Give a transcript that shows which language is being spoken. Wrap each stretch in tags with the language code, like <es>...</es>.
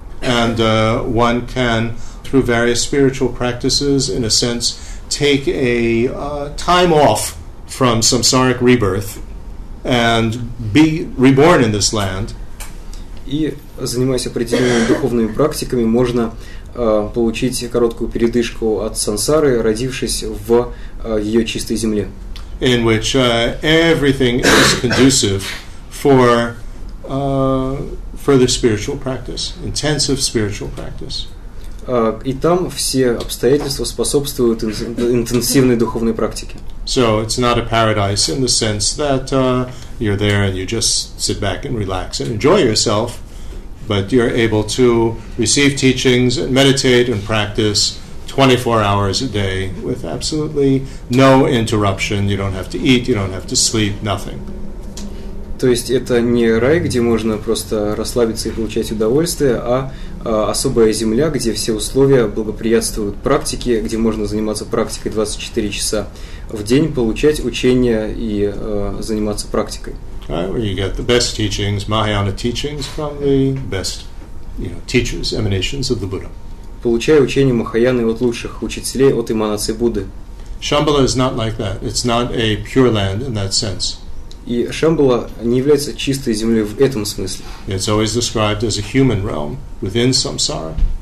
<en>And one can, through various spiritual practices, in a sense, take a time off from samsaric rebirth and be reborn in this land.</en> <ru>И занимаясь определенными духовными практиками, можно получить короткую передышку от сансары, родившись в ее чистой земле.</ru> <en>In which everything is conducive for further spiritual practice, intensive spiritual practice.</en> <ru>И там все обстоятельства способствуют интенсивной духовной практике.</ru> <en>So it's not a paradise in the sense that you're there and you just sit back and relax and enjoy yourself, but you're able to receive teachings, meditate and practice 24 hours a day with absolutely no interruption. You don't have to eat, you don't have to sleep, nothing.</en> <ru>То есть это не рай, где можно просто расслабиться и получать удовольствие, а особая земля, где все условия благоприятствуют практике, где можно заниматься практикой 24 часа в день, получать учения и заниматься практикой.</ru> <en>You get the best teachings, Mahayana teachings from the best, teachers, emanations of the Buddha.</en> <ru>Получая учение Махаяны от лучших учителей, от эманаций Будды.</ru> <en>Шамбала is not like that. It's not a pure land in that sense.</en> <ru>И Шамбала не является чистой землей в этом смысле.</ru> <en>It's always described as a human realm within samsara.</en>